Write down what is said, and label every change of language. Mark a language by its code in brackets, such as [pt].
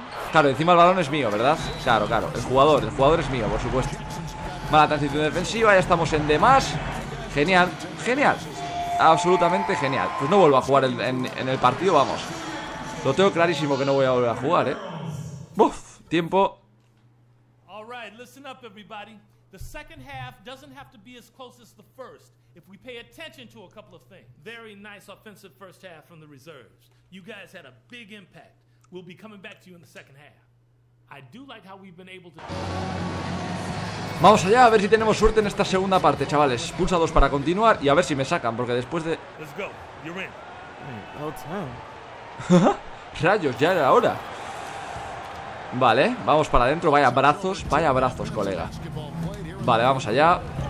[es] Claro, encima el balón es mío, ¿verdad? Claro, claro. El jugador es mío, por supuesto. Mala transición defensiva. Ya estamos en demás. Genial. Genial. Absolutamente genial. Pues no vuelvo a jugar en el partido, vamos. Lo tengo clarísimo que no voy a volver a jugar, ¿eh? Uf, tiempo. [en] All right, listen up, everybody. The second half doesn't have to be as close as the first if we pay attention to a couple of things. Very nice offensive first half from the reserves. You guys had a big impact. We'll be coming back to you in the second half. I do like how we've been able to... [es] Vamos allá, a ver si tenemos suerte en esta segunda parte, chavales. Pulsa dos para continuar y a ver si me sacan, porque después de... [en] Let's go. You're in. [es] Rayos, ya era hora. Vale, vamos para adentro. Vaya brazos, colega. Vale, vamos allá.